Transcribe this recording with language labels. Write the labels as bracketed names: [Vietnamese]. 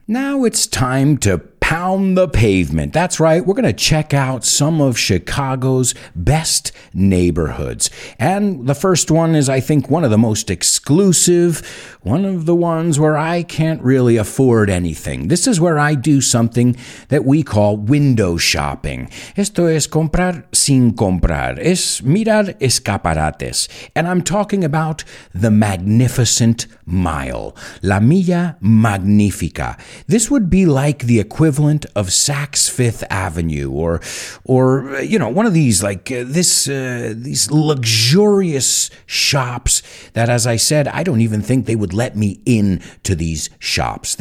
[English] Now it's time to pound the pavement. That's right, we're going to check out some of Chicago's best neighborhoods. And the first one is, I think, one of the most exclusive, one of the ones where I can't really afford anything. This is where I do something that we call window shopping. [Spanish] Esto es comprar sin comprar. Es mirar escaparates. [English] And I'm talking about the Magnificent Mile. La Milla Magnífica. This would be like the equivalent of Saks Fifth Avenue or you know, one of these, like, these luxurious shops that, as I said, I don't even think they would let me in to these shops.